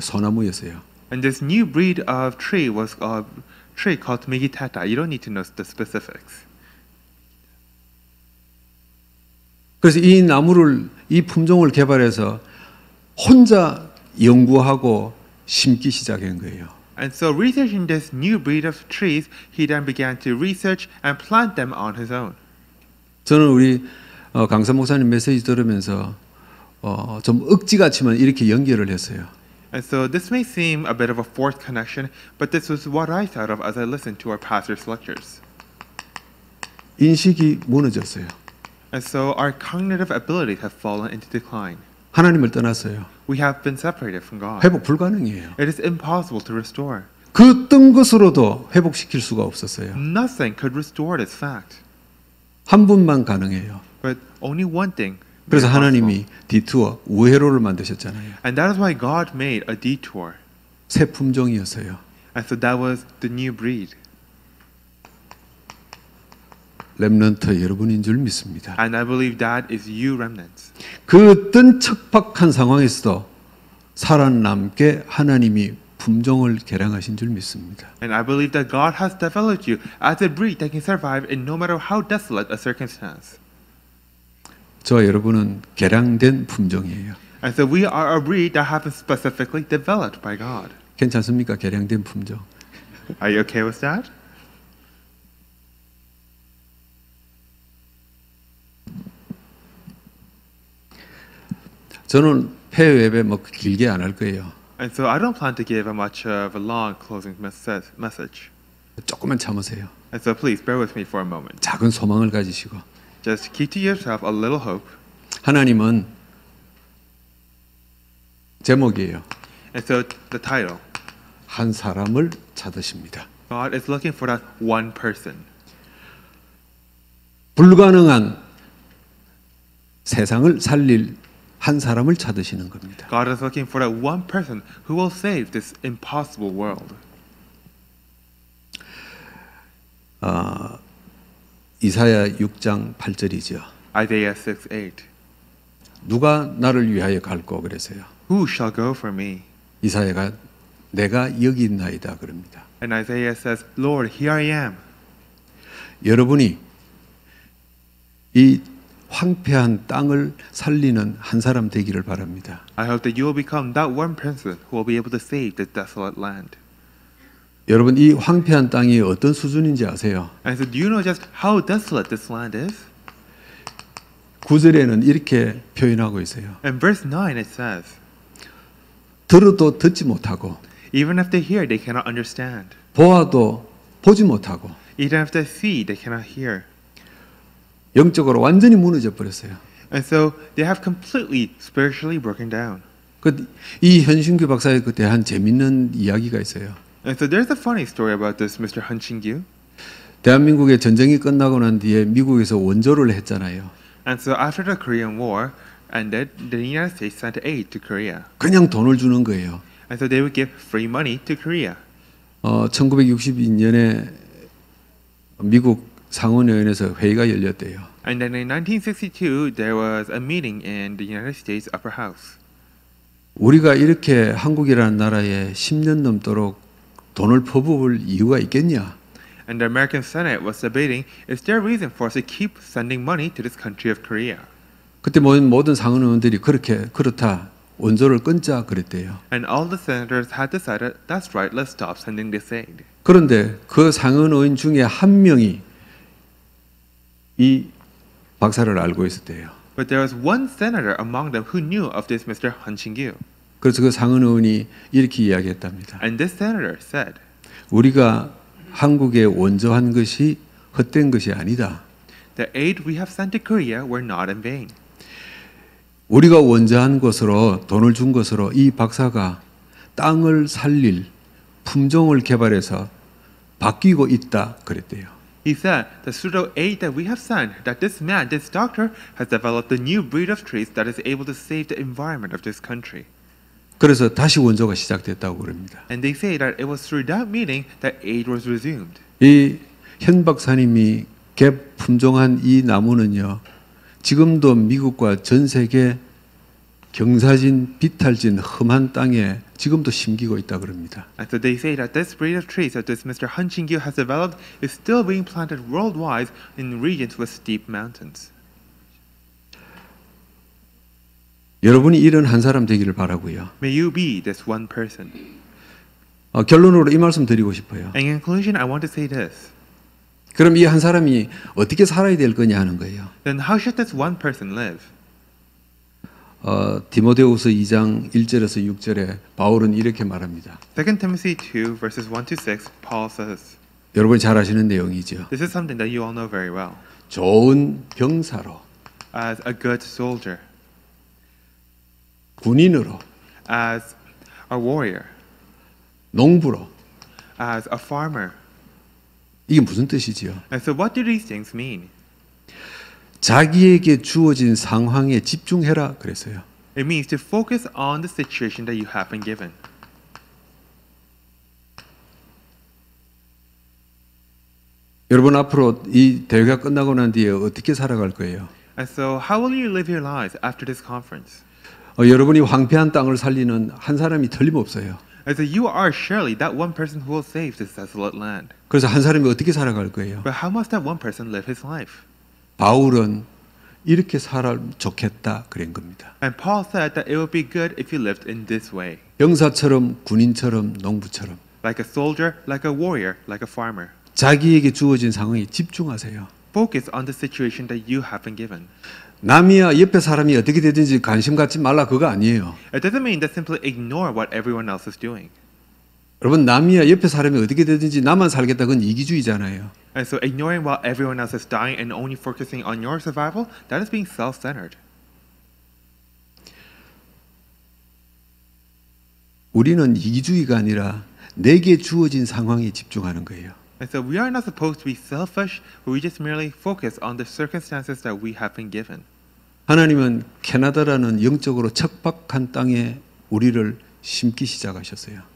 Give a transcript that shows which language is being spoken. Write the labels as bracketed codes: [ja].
[ko] 소나무였어요. [en] And this new breed of tree was a tree called Migiteta. You don't need to know the specifics. [ko] 그래서 이 나무를 이 품종을 개발해서 혼자 연구하고 심기 시작한 거예요. [en] And so researching this new breed of trees, he then began to research and plant them on his own. [ko] 저는 우리 강사 목사님 메시지 들으면서 좀 억지 같지만 이렇게 연결을 했어요. [en] And so this may seem a bit of a forced connection, but this was what I thought of as I listened to our pastor's lectures. [ko] 인식이 무너졌어요. [en] And so our cognitive abilities have fallen into decline. [ko] 하나님을 떠났어요. [en] We have been separated from God. [ko] 회복 불가능이에요. [en] It is impossible to restore. [ko] 그 뜬 것으로도 회복시킬 수가 없었어요. [en] Nothing could restore this fact. [ko] 한 분만 가능해요. [en] But only one thing. [ko] 그래서 하나님이 디투어 우회로를 만드셨잖아요. [en] And that is why God made a detour. [ko] 새 품종이었어요. [en] And so that was the new breed. [ko] 렘넌트 여러분인 줄 믿습니다. [en] And I believe that is you, remnants. [ko] 그 어떤 척박한 상황에서도 살아남게 하나님이 품종을 개량하신 줄 믿습니다. [en] And I believe that God has developed you as a breed that can survive in no matter how desolate a circumstance. [ko] 저 여러분은 개량된 품종이에요. [en] And so we are a breed that has been specifically developed by God. [ko] 괜찮습니까? 개량된 품종. [en] Are you okay with that? [ko] 저는 폐회에 뭐 길게 안 할 거예요. [en] And so I don't plan to give a much of a long closing message. [ko] 조금만 참으세요. [en] And so please bear with me for a moment. [ko] 작은 소망을 가지시고. [en] Just keep to yourself a little hope. [ko] 하나님은 제목이에요. [en] And so the title. [ko] 한 사람을 찾으십니다. [en] God is looking for that one person. [ko] 불가능한 세상을 살릴 한 사람을 찾으시는 겁니다. [en] God is looking for that one person who will save this impossible world. [ko] 이사야 6장 8절이죠. [en] Isaiah 6:8. [ko] 누가 나를 위하여 갈고 그랬어요. [en] Who shall go for me? [ko] 이사야가 내가 여기 있나이다 그럽니다. [en] And Isaiah says, Lord, here I am. [ko] 여러분이 이 황폐한 땅을 살리는 한 사람 되기를 바랍니다. [en] I hope that you will become that one person who will be able to save the desolate land. [ko] 여러분 이 황폐한 땅이 어떤 수준인지 아세요? [en] And so do you know just how desolate this land is? [ko] 구절에는 이렇게 표현하고 있어요. [en] In verse 9 it says, [ko] 들어도 듣지 못하고, [en] even if they hear, they cannot understand. [ko] 보아도 보지 못하고, [en] even if they see, they cannot hear. [ko] 영적으로 완전히 무너져 버렸어요. [en] And so they have completely spiritually broken down. [ko] 그 이 현신규 박사의 그 대한 재밌는 이야기가 있어요. [en] And so there's a funny story about this Mr. Hyun Ching-gyu. [ko] 대한민국의 전쟁이 끝나고 난 뒤에 미국에서 원조를 했잖아요. [en] And so after the Korean War ended, the United States sent aid to Korea. [ko] 그냥 돈을 주는 거예요. [en] And so they would give free money to Korea. [ko] 1962년에 미국 상원의원에서 회의가 열렸대요. [en] And then in 1962, there was a meeting in the United States Upper House. [ko] 우리가 이렇게 한국이라는 나라에 10년 넘도록 돈을 퍼부을 이유가 있겠냐? [en] And the American Senate was debating, is there a reason for us to keep sending money to this country of Korea? [ko] 그때 모든 상원의원들이 그렇다, 원조를 끊자 그랬대요. [en] And all the senators had decided, that's right, let's stop sending this aid. [ko] 그런데 그 상원의원 중에 한 명이 이 박사를 알고 있었대요. [en] But there was one senator among them who knew of this Mr. Hyun Ching-gyu. [ko] 그래서 그 상원 의원이 이렇게 이야기했답니다. [en] And this senator said, [ko] 우리가 한국에 원조한 것이 헛된 것이 아니다. [en] The aid we have sent to Korea were not in vain. [ko] 우리가 원조한 것으로 돈을 준 것으로 이 박사가 땅을 살릴 품종을 개발해서 바뀌고 있다 그랬대요. [en] He said the pseudo aid that we have sent, that this man, this doctor, has developed a new breed of trees that is able to save the environment of this country. [ko] 그래서 다시 원조가 시작됐다고 그럽니다. [en] And they say that it was through that meeting that aid was resumed. [ko] 이 현 박사님이 품종한 이 나무는요, 지금도 미국과 전 세계 경사진, 비탈진, 험한 땅에 지금도 심기고 있다 그럽니다. [en] And so they say that this breed of trees that this Mr. Han Jingyu has developed is still being planted worldwide in regions with steep mountains. [ko] 여러분이 이런 한 사람 되기를 바라고요. [en] May you be this one person. [ko] 결론으로 이 말씀 드리고 싶어요. [en] In conclusion, I want to say this. [ko] 그럼 이 한 사람이 어떻게 살아야 될 거냐 하는 거예요. [en] Then how should this one person live? [ko] 디모데후서 2장 1절에서 6절에 바울은 이렇게 말합니다. [en] 2 Timothy 2 verses 1 to 6 Paul says. [ko] 여러분 잘 아시는 내용이죠. [en] This is something that you all know very well. [ko] 좋은 병사로. [en] As a good soldier. [ko] 군인으로. [en] As a warrior. [ko] 농부로. [en] As a farmer. [ko] 이게 무슨 뜻이지요? [en] And so what do these things mean? [ko] 자기에게 주어진 상황에 집중해라 그랬어요. [en] It means to focus on the situation that you have been given. [ko] 여러분 앞으로 이 대회가 끝나고 난 뒤에 어떻게 살아갈 거예요? [en] And so how will you live your lives after this conference? [ko] 여러분이 황폐한 땅을 살리는 한 사람이 틀림없어요. [en] And so you are surely that one person who will save this desolate land. [ko] 그래서 한 사람이 어떻게 살아갈 거예요? [en] But how must that one person live his life? [ko] 바울은 이렇게 살면 좋겠다 그런 겁니다. [en] And Paul said that it would be good if you lived in this way. [ko] 병사처럼, 군인처럼, 농부처럼. [en] Like a soldier, like a warrior, like a farmer. [ko] 자기에게 주어진 상황에 집중하세요. [en] Focus on the situation that you have been given. [ko] 남이야 옆에 사람이 어떻게 되든지 관심 갖지 말라 그거 아니에요. [en] It doesn't mean to simply ignore what everyone else is doing. [ko] 여러분 남이야 옆에 사람이 어떻게 되든지 나만 살겠다 그건 이기주의잖아요. [en] And so ignoring while everyone else is dying and only focusing on your survival, that is being self-centered. [ko] 우리는 이기주의가 아니라 내게 주어진 상황에 집중하는 거예요. [en] And so we are not supposed to be selfish, but we just merely focus on the circumstances that we have been given. [ko] 하나님은 캐나다라는 영적으로 척박한 땅에 우리를 심기 시작하셨어요.